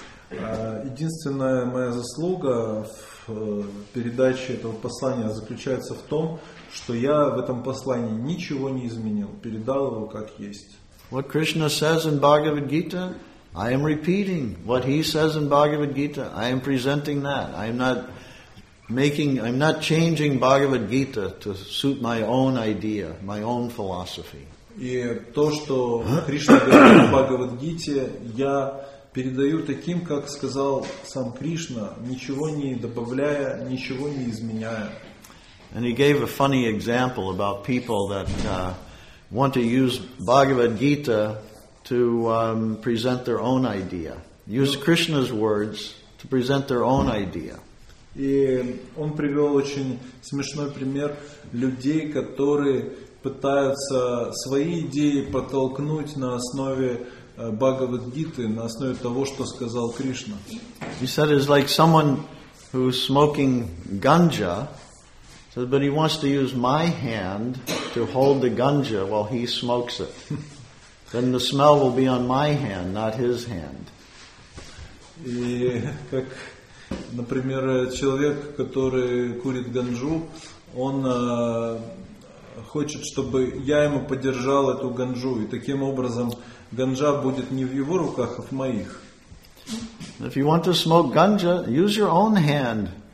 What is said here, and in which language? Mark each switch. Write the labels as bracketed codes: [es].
[ru] Единственная моя заслуга в передаче этого послания заключается в том, что я в этом послании ничего не изменил, передал его как есть. [en] What Krishna says in Bhagavad Gita, I am repeating. What he says in Bhagavad Gita, I am presenting that. I'm not changing Bhagavad Gita to suit my own idea, my own philosophy. [ru] И то, что Кришна говорит в Бхагавад Гите, я передаю таким, как сказал сам Кришна, ничего не добавляя, ничего не изменяя. [en] And he gave a funny example about people that want to use Bhagavad Gita to present their own idea. Use Krishna's words to present their own idea. [ru] И он привел очень смешной пример людей, которые пытаются свои идеи подтолкнуть на основе Бхагавад Гиты, на основе того, что сказал Кришна. [en] He said it's like someone who's smoking ganja. But he wants to use my hand to hold the ganja while he smokes it. Then the smell will be on my hand, not his hand. [ru] И как, например, человек, который курит ганджу, он хочет, чтобы я ему подержал эту ганджу, и таким образом ганджа будет не в его руках, а в моих. [en] If you want to smoke ganja, use your own hand.